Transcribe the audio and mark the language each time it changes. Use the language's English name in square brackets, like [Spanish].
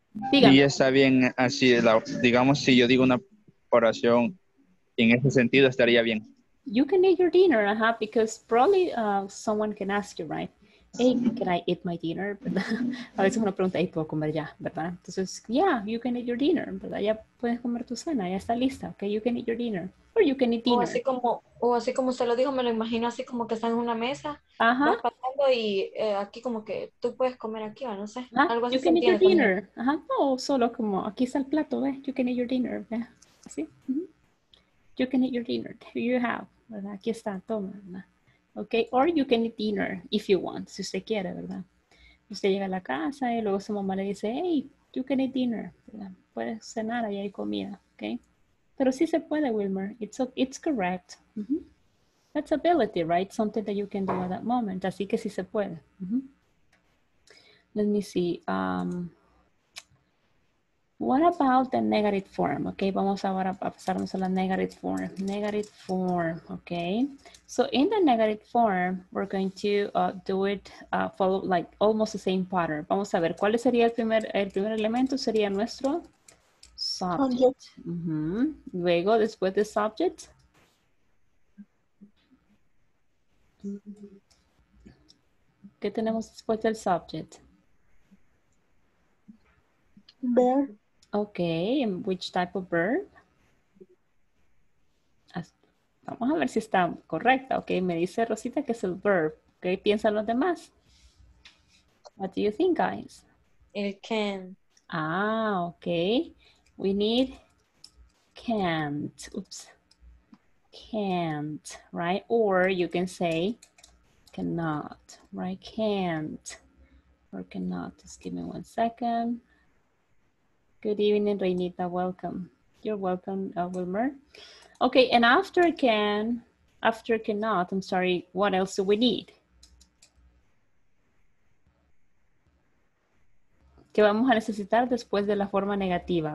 [Spanish] Dígame. Y está bien así, digamos, si yo digo una oración en ese sentido, estaría bien. [English] You can eat your dinner, ajá, because probably someone can ask you, right? Hey, can I eat my dinner? [Spanish] A veces uno pregunta, hey, ¿puedo comer ya? ¿Verdad? Entonces, [English] yeah, you can eat your dinner, [Spanish] ¿verdad? Ya puedes comer tu cena, ya está lista, okay? [English] You can eat your dinner, or you can eat dinner. [Spanish] O así como usted lo dijo, me lo imagino así como que están en una mesa, ajá. pasando y aquí como que tú puedes comer aquí, o no sé, ajá. algo así. [English] You can eat your dinner, [Spanish] ajá, no, solo como aquí está el plato, ¿ves? [English] You can eat your dinner, [Spanish] ¿ves? ¿Sí? [English] Mm-hmm. You can eat your dinner, you have, [Spanish] ¿verdad? Aquí está, toma, ¿verdad? [English] Okay, or you can eat dinner if you want, [Spanish] si usted quiere, ¿verdad? Usted llega a la casa y luego su mamá le dice, hey, [English] you can eat dinner, [Spanish] ¿verdad? Puedes cenar, ahí hay comida, okay? Pero sí se puede, Wilmer, [English] it's correct. [Spanish] Mm-hmm. [English] That's ability, right? Something that you can do at that moment, [Spanish] así que sí se puede. [English] Mm-hmm. Let me see. What about the negative form? Okay, [Spanish] vamos ahora a pasarnos a la [English] negative form. Negative form, okay. So in the negative form, we're going to do it follow like almost the same pattern. [Spanish] Vamos a ver, ¿cuál sería el primer elemento? Sería nuestro [English] subject. [Spanish] Mm-hmm. Luego, después de subject. ¿Qué tenemos después del subject? [English] Verb. Okay, and which type of verb? [Spanish] Vamos a ver si está correcta. Okay, me dice Rosita que es el verb. [English] Okay, [Spanish] piensa los demás. [English] What do you think, guys? It can. Ah, okay. We need can't. Oops. Can't, right? Or you can say cannot, right? Can't or cannot. Just give me 1 second. Good evening, Reinita. Welcome. You're welcome, Wilmer. Okay, and after cannot, I'm sorry, what else do we need? [Spanish] ¿Qué vamos a necesitar después de la forma negativa?